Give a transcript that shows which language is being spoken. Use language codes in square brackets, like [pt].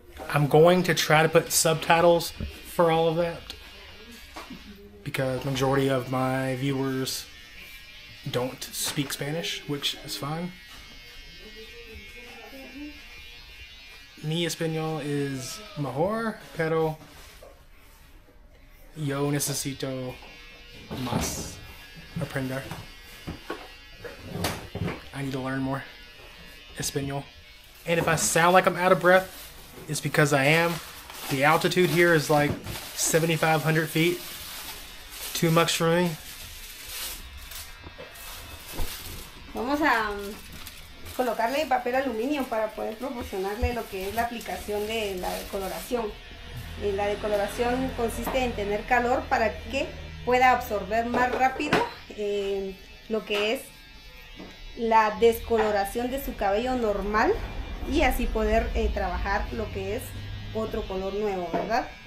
[en] I'm going to try to put subtitles for all of that because majority of my viewers don't speak Spanish, which is fine. [es] Mi español es mejor, pero yo necesito más aprender. [en] I need to learn more español. And if I sound like I'm out of breath, it's because I am. The altitude here is like 7,500 feet. Too much for me. [es] Vamos a colocarle papel aluminio para poder proporcionarle lo que es la aplicación de la decoloración. Y la decoloración consiste en tener calor para que pueda absorber más rápido lo que es la descoloración de su cabello normal y así poder trabajar lo que es otro color nuevo, ¿verdad?